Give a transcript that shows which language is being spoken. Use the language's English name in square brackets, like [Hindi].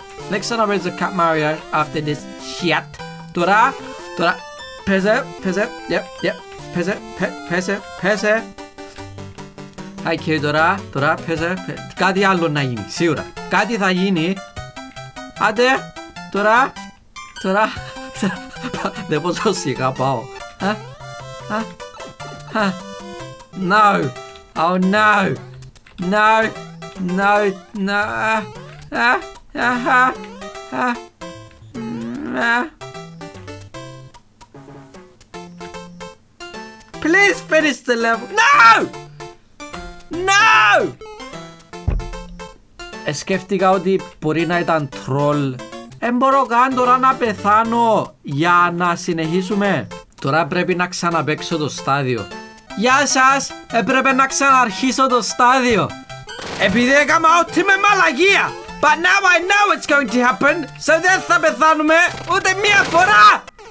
[English] Next time I raise a Cat Mario after this shit. [Greek] Τώρα, τώρα. Παίζε, παίζε, yep, yep. Πέσε, πέσε, πέσε. Άι και τώρα, τώρα πέσε, πέσε. Κάτι άλλο να γίνει, σίγουρα. Κάτι θα γίνει. Άντε, τώρα, τώρα. Δεν πόσο σιγά πάω. Α, α, α. [English] No, oh no. No, no, no. Α, α, α, α. Please finish the level. No! No! [Greek] Σκέφτηκα ότι μπορεί να ήταν τρολ. Εν μπορώ καν τώρα να πεθάνω για να συνεχίσουμε. Τώρα πρέπει να ξαναπαίξω το στάδιο. Γεια σας! Έπρεπε να ξαναρχίσω το στάδιο. Επειδή έκανα ό,τι με μαλαγία. [English] But now I know it's going to happen, so [Greek] δεν θα πεθάνουμε ούτε μία φορά.